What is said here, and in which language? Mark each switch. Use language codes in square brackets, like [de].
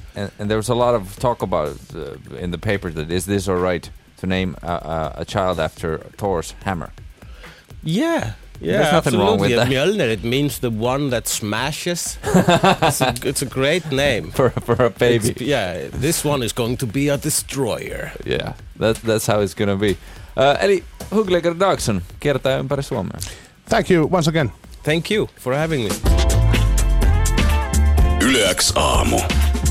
[en] And there was a lot of talk about it in the paper, that is this all right to name a child after Thor's hammer? Yeah. Yeah, there's nothing absolutely. Wrong with that. Mjölnir, it means the one that smashes. It's a great name. For a baby. It's, yeah, this one is going to be a destroyer. Yeah, that's how it's going to be. [fi] Eli Hugleger Dagson, kertaa ympäri Suomea. [en] Thank you once again. Thank you for having me. Yle X Aamu.